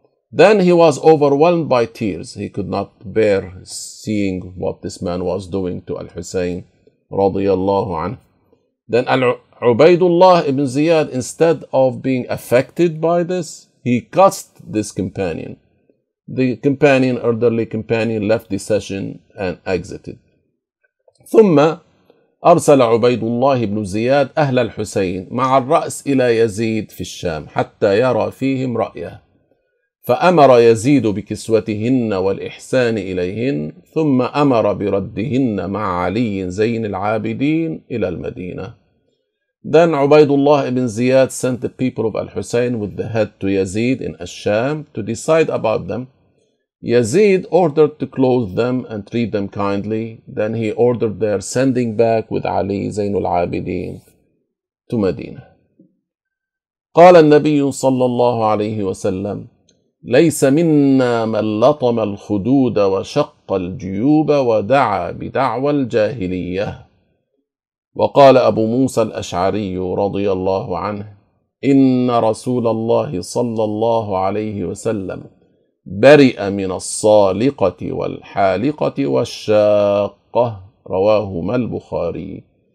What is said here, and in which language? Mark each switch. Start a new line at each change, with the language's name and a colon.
English: Then he was overwhelmed by tears. He could not bear seeing what this man was doing to Al-Husayn
Arabic: radiyallahu anhu.
English: Then Ubaidullah ibn Ziyad, instead of being affected by this, he cussed this companion. The companion, elderly companion, left the session and exited.
Arabic: ثم أرسل عبيد الله بن زياد أهل الحسين مع الرأس إلى يزيد في الشام حتى يرى فيهم رأيه، فأمر يزيد بكسوتهن والإحسان إليهن، ثم أمر بردهن مع علي زين العابدين إلى المدينة.
English: Then عبيد الله بن زياد sent the people of Al-Husayn with the head to Yazid in Al-Sham to decide about them. Yazid ordered to clothe them and treat them kindly. Then he ordered their sending back with Ali Zayn al-Abidin to Medina.
Arabic: قال النبي صلى الله عليه وسلم ليس منا من لطم الخدود وشق الجيوب ودعا بدعوى الجاهلية. وقال أبو موسى الأشعري رضي الله عنه إن رسول الله صلى الله عليه وسلم برئ من الصالقة والحالقة والشاقة، رواهما البخاري.